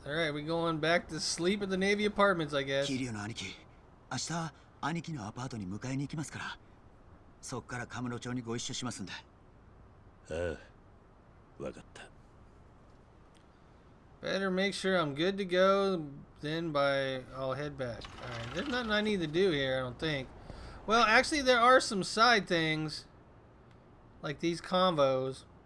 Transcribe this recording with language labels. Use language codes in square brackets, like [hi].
[en] All right, we're going back to sleep at the Navy apartments, I guess. [ja] Kiryu の兄貴、明日兄貴のアパートに迎えに行きますから、そっからカムロ町にご一緒しますんで。ああ、わかった。 [en] Better make sure I'm good to go, then by I'll head back. All right, there's nothing I need to do here, I don't think. Well, actually, there are some side things, like these convos.